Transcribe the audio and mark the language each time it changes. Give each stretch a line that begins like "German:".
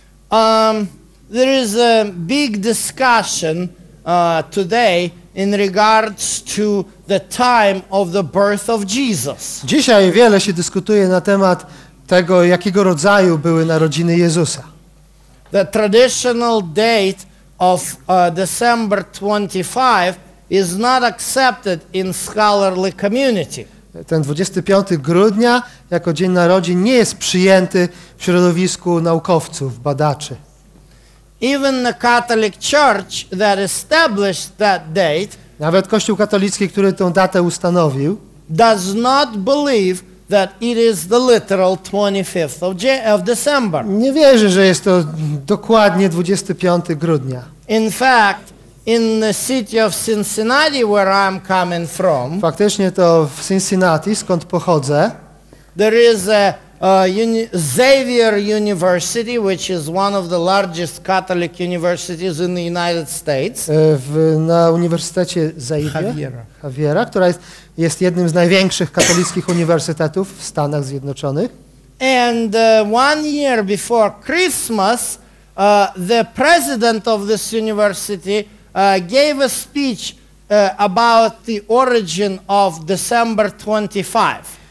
English: There is a big discussion today in regards to the time of the birth of Jesus.
Polish: Dzisiaj wiele się dyskutuje na temat tego, jakiego rodzaju były narodziny Jezusa.
English: The traditional date of December 25 is not accepted in scholarly community.
Polish: Ten 25 grudnia jako dzień narodzin nie jest przyjęty w środowisku naukowców, badaczy.
English: Even the Catholic Church that established that date,
Polish: nawet Kościół katolicki, który tę datę ustanowił,
English: does not believe that it is the literal 25th of December.
Polish: Nie wierzy, że jest to dokładnie 25 grudnia.
English: In fact, in the city of Cincinnati, where I'm coming from,
Polish: faktycznie to w Cincinnati, skąd pochodzę,
English: there is a Xavier University, which is one of the largest Catholic universities in the United States.
Polish: Na Uniwersytecie Xaviera, która jest jednym z największych katolickich uniwersytetów w Stanach Zjednoczonych.
English: And one year before Christmas, the president of this university gave a speech about the origin of December 25.